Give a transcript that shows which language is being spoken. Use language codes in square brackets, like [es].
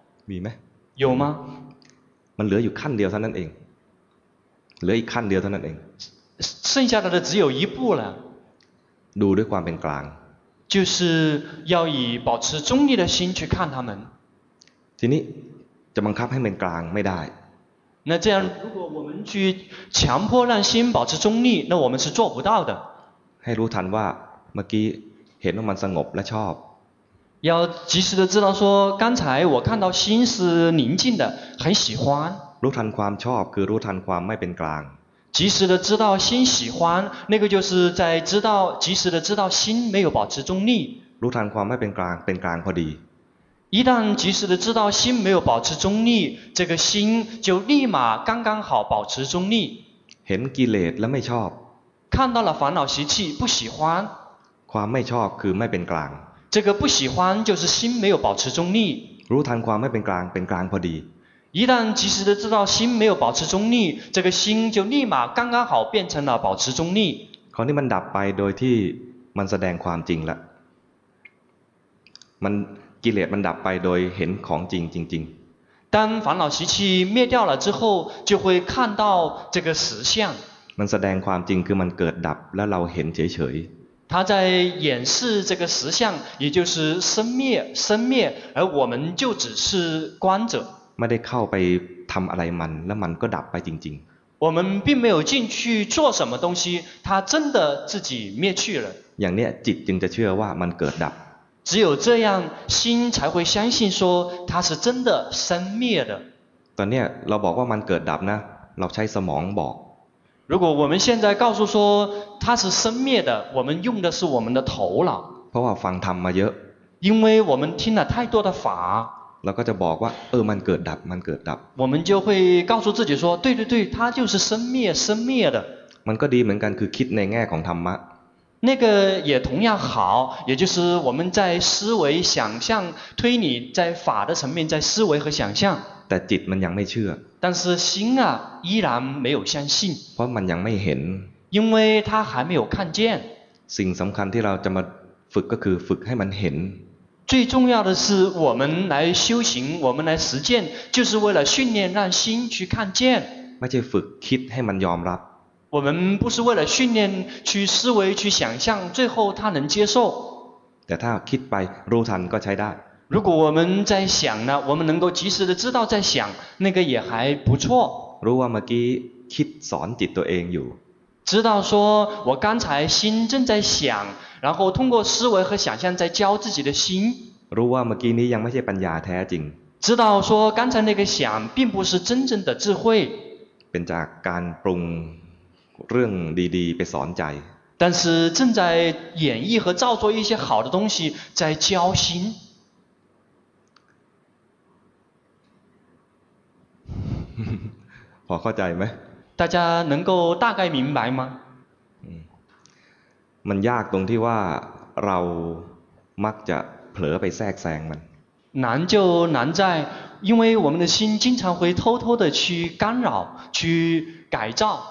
[th] มีไหม [zh] 有吗？ [th] มันเหลืออยู่ขั้นเดียวเท่านั้นเองเหลืออีกขั้นเดียวเท่านั้นเอง [zh] 剩下的只有一步了。 [th] ดูด้วยความเป็นกลาง [zh] 就是要以保持中立的心去看他们。 [th] ทีนี้จะบังคับให้มันกลางไม่ได้ [zh] 那这样如果我们去强迫让心保持中立那我们是做不到的。 [th] ให้รู้ทันว่าเมื่อกี้เห็นว่ามันสงบและชอบ [zh] 要及时的知道说刚才我看到心是宁静的很喜欢 [th] รู้ทันความชอบคือรู้ทันความไม่เป็นกลาง [zh] 及时的知道心喜欢那个就是在知道及时的知道心没有保持中立 [th] รู้ทันความไม่เป็นกลางเป็นกลางพอดี [zh] 一旦及时的知道心没有保持中立这个心就立马刚刚好保持中立 [th] เห็นกิเลสและไม่ชอบ [zh] 看到了烦恼习气不喜欢 [th] ความไม่ชอบคือไม่เป็นกลาง [zh] 这个不喜欢就是心没有保持中立 [th] รู้ทันความไม่เป็นกลางเป็นกลางพอดี [zh] 一旦及时的知道心没有保持中立这个心就立马刚刚好变成了保持中立 [th] คราวนี้มันดับไปโดยที่มันแสดงความจริงละมันกิเลสมันดับไปโดยเห็นของจริงจริง [zh] 当烦恼习气灭掉了之后就会看到这个实相 [th] มันแสดงความจริงคือมันเกิดดับแล้วเราเห็นเฉยๆ [zh] 他在演示这个实相，也就是生灭，生灭，而我们就只是观者。 [th] ไม่ได้เข้าไปทำอะไรมันแล้วมันก็ดับไปจริง [zh] ๆ我们并没有进去做什么东西，它真的自己灭去了。 [th] อย่างนี้จิตจึงจะเชื่อว่ามันเกิดดับ。 [zh] 只有这样，心才会相信说它是真的生灭的。 [th] ตอนนี้เราบอกว่ามันเกิดดับนะเราใช้สมองบอก。 [zh] 如果我们现在告诉说它是生灭的，我们用的是我们的头脑。 [th] เพราะว่าฟังธรรมมาเยอะ。 [zh] 因为我们听了太多的法。 [th] เราก็จะบอกว่าเออมันเกิดดับมันเกิดดับ。 [zh] 我们就会告诉自己说，对对对，它就是生灭生灭的。 [th] มันก็ดีเหมือนกันคือคิดในแง่ของธรรมะ。 [zh] 那个也同样好，也就是我们在思维、想象、推理，在法的层面，在思维和想象。 [th] แต่จิตมันยังไม่เชื่อ [zh] 但是心啊依然没有相信 [th] เพราะมันยังไม่เห็น [zh] 因为他还没有看见 [th] สิ่งสำคัญที่เราจะมาฝึกก็คือฝึกให้มันเห็น [zh] 最重要的是我们来修行我们来实践就是为了训练让心去看见 [th] ไม่ใช่ฝึกคิดให้มันยอมรับ [zh] 我们不是为了训练去思维去想象最后他能接受 [th] แต่ถ้าคิดไปรู้ทันก็ใช้ได้ [zh] 如果我们在想呢，我们能够及时的知道在想，那个也还不错。 [th] รู้ว่าเมื่อกี้คิดสอนจิตตัวเองอยู่。 [zh] 知道说我刚才心正在想，然后通过思维和想象在教自己的心。 [th] รู้ว่าเมื่อกี้นี้ยังไม่ใช่ปัญญาแท้จริง。 [zh] 知道说刚才那个想并不是真正的智慧。 [th] เป็นจากการปรุงเรื่องดีๆไปสอนใจ。 [zh] 但是正在演绎和造作一些好的东西，在教心。 [th] พอเข้าใจไหม [zh] 大家能够大概明白吗 [th] มันยากตรงที่ว่าเรามักจะเผลอไปแทรกแซงมัน [zh] 难就难在因为我们的心经常会偷偷的去干扰去改造